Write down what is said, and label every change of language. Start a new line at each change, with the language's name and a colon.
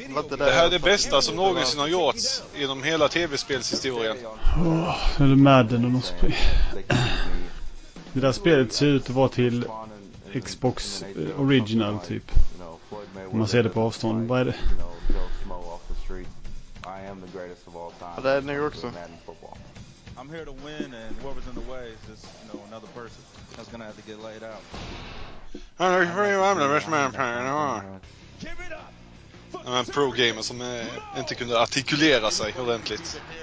Swedish: det här är det bästa som någonsin har gjorts inom hela tv-spelshistorien. Eller Madden och något spel. Det där spelet ser ut att vara till Xbox Original typ. Om man ser det på avstånd, vad är det?
English: I am the greatest of all time.
Swedish: Det är New York så.
English: I'm here to win and whoever's in the way is just, you know, another person that's gonna have to get laid out. I'm the best man playing. I'm a pro gamer
Swedish: som inte kunde artikulera sig ordentligt.